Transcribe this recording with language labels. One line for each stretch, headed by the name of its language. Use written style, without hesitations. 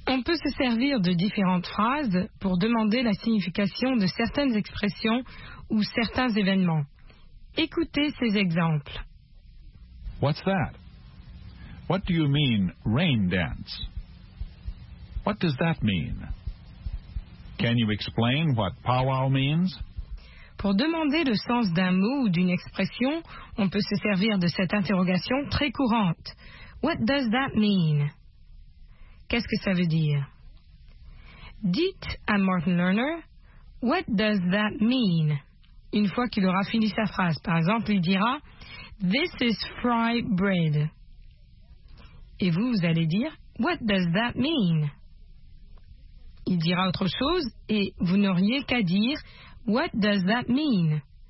French: peut se servir de différentes phrases pour demander la signification de certaines expressions ou certains événements. Écoutez ces exemples.
English: What's that? What do you mean, rain dance? What does that mean? Can you explain what powwow means?
French: Pour demander le sens d'un mot ou d'une expression, on peut se servir de cette interrogation très courante.
English: What does that mean?
French: Qu'est-ce que ça veut dire? Dites à
English: Martin Lerner, What does that mean?
French: Une fois qu'il aura fini sa phrase, par exemple, il dira,
English: This is fried bread.
French: Et vous, vous allez dire,
English: What does that mean?
French: Il dira autre chose et vous n'auriez qu'à dire, What does that mean?